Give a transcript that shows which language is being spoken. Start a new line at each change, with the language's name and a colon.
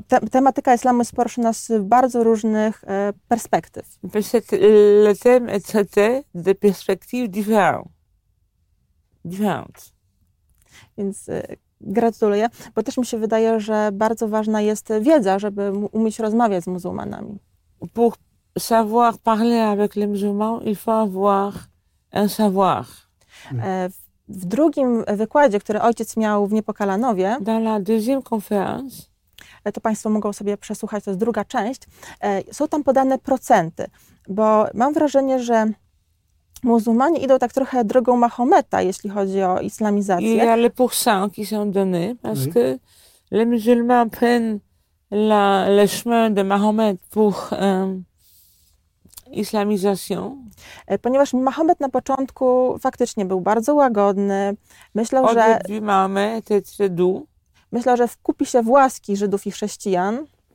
Polish: tematyka islamu jest poruszona z bardzo różnych perspektyw.
French: Le thème est traité de perspectives différentes.
Polish: Więc... gratuluję, bo też mi się wydaje, że bardzo ważna jest wiedza, żeby umieć rozmawiać z muzułmanami.
French: Pour savoir parler avec les musulmans, il faut avoir un savoir.
Polish: W drugim wykładzie, który ojciec miał w Niepokalanowie,
French: dans la deuxième conférence,
Polish: to państwo mogą sobie przesłuchać, to jest druga część, są tam podane procenty, bo mam wrażenie, że muzułmanie idą tak trochę drogą Mahometa, jeśli chodzi o islamizację.
French: Il y a les pourcents qui sont donnés, parce que les musulmans prennent le chemin de Mahomet pour islamisation.
Polish: Ponieważ Mahomet na początku faktycznie był bardzo łagodny, myślał, że...
French: Au début, Mahomet était très doux.
Polish: Myślał, że wkupi się w łaski Żydów i chrześcijan.